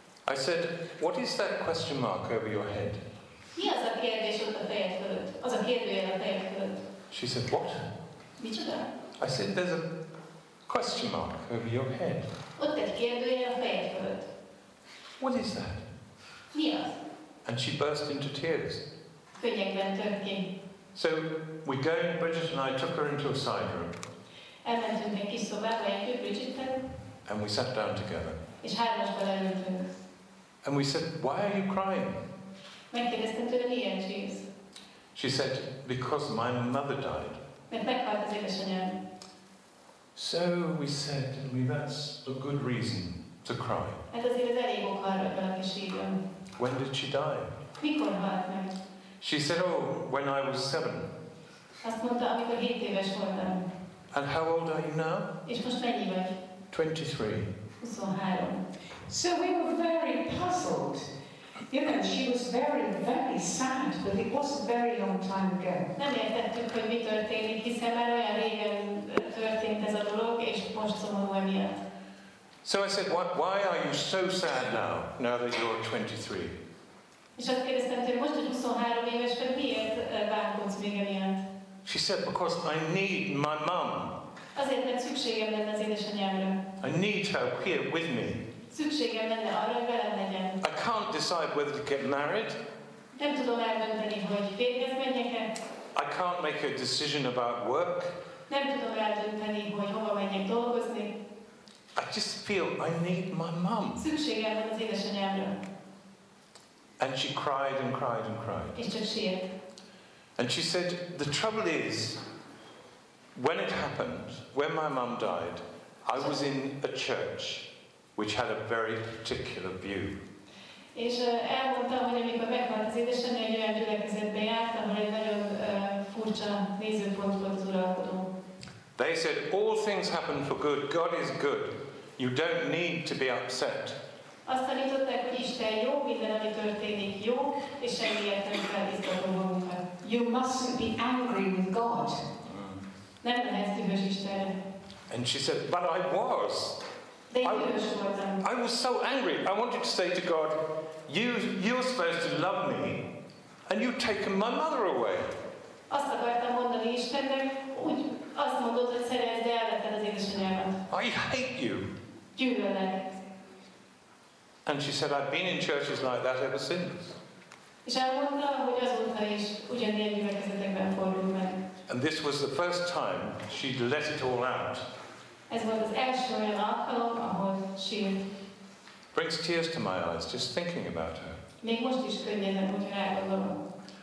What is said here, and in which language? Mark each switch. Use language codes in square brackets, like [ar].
[en] I said, what is that question mark over your head? [hu] Mi az a kérdés ott a fejed fölött? Az a kérdőjel a fejed fölött. [en] She said, what? [hu] Micsoda? [en] I said, there's a question mark over your head. [hu] Ott egy kérdőjel a fejed fölött. [en] What is that? [hu] Mi az? [en] And she burst into tears. [hu] Könnyekben tört ki. [en] So we go, Bridget and I took her into a side room. [hu] Elmentünk egy kis szobába, együtt Bridgettel. [en] And we sat down together. [hu] És hármasban leültünk. [en] And we said, why are you crying? [hu] Megkérdeztem tőle, milyen csíz. [en] She said, because my mother died. [hu] Mert meghalt az édesanyám. [en] So we said, that's a good reason to cry. [hu] Hát azért ez elég ok arra, hogy valaki sírjon. [en] When did she die? [hu] Mikor halt meg? [en] She said, oh, when I was 7. [hu] Azt mondta, amikor 7 éves voltam. [en] And how old are you now? [hu] És most mennyi vagy? [en] 23. [hu] 23. [en] So we were very puzzled. You know, she was very, very sad, but it was a very long time ago. [hu] Nem értettük, hogy mi történik, hiszen már olyan régen történt ez a dolog, és most szomorú emiatt. [en] So I said, why are you so sad now that you're 23? [hu] És azt kérdeztem tőle, most hogy 23 éves vagy, miért bánkodsz még emiatt? [en] She said, because I need my mom. [hu] Azért, mert szükségem lenne az édesanyámra. [en] I need her here with me. [hu] Szükségem lenne arra, hogy velem legyen. [en] I can't decide whether to get married. [hu] Nem tudom eldönteni, hogy férjhez menjek-e. [en] I can't make a decision about work. [hu] Nem tudom eldönteni, hogy hova menjek dolgozni. [en] I just feel I need my mom. [hu] Szükségem van az édesanyámra. [en] And she cried and cried and cried. [hu] És csak sírt. [en] And she said, the trouble is, when it happened, when my mom died, I was in a church which had a very particular view. [hu] És elmondtam, hogy amikor meghalt az édesanyja, egy olyan gyülekezetbe jártam, hogy egy nagyon furcsa nézőpont volt az uralkodó. [en] They said, all things happen for good. God is good. You don't need to be upset. [hu] Azt tanították, hogy Isten jó, minden, ami történik, jó, és semmi értelme felbiztatom magunkat. [en] You mustn't be angry with God. [hu] Nem lehet dühös Istenre. [en] And she said, but I was. I was so angry. I wanted to say to God, you're supposed to love me, and you've taken my mother away. [hu] Azt akartam mondani Istennek, úgy azt mondod, hogy szeretsz, de elvetted az édesanyámat. [en] I hate you. [hu] Gyűlölek. [en] And she said, I've been in churches like that ever since. [hu] És elmondta, hogy azóta is ugyanilyen gyülekezetekben fordul meg. [en] And this was the first time she'd let it all out. [hu] Ez volt az első olyan alkalom, ahol sírt. [en] Brings tears to my eyes just thinking about her. [hu] Még most is könnyen, hogy rágondolom.